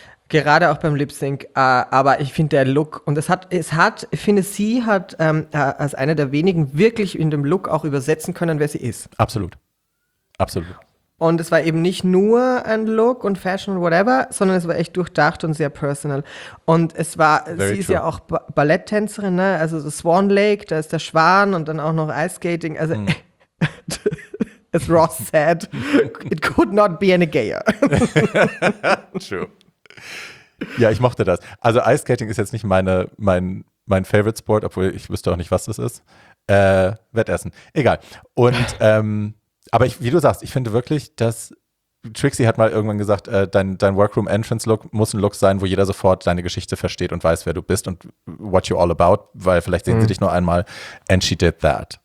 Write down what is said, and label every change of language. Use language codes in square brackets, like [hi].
[de] Gerade auch beim Lip-Sync, aber ich finde der Look, und es hat, ich finde, sie hat als eine der wenigen wirklich in dem Look auch übersetzen können, wer sie ist. Absolut. Absolut. Und es war eben nicht nur ein Look und Fashion und whatever, sondern es war echt durchdacht und sehr personal. Und es war, ist ja auch Balletttänzerin, ne? Also so Swan Lake, da ist der Schwan und dann auch noch Ice Skating. [en] Also, as Ross said, it could not be any gayer. [de] True. Ja, ich mochte das. Also Ice Skating ist jetzt nicht mein Favorite Sport, obwohl ich wüsste auch nicht, was das ist. Wettessen. Egal. Und aber ich, wie du sagst, ich finde wirklich, dass Trixie hat mal irgendwann gesagt, dein Workroom Entrance Look muss ein Look sein, wo jeder sofort deine Geschichte versteht und weiß, wer du bist und [en] what you're all about, [de] weil vielleicht sehen sie dich nur einmal. [en] And she did that.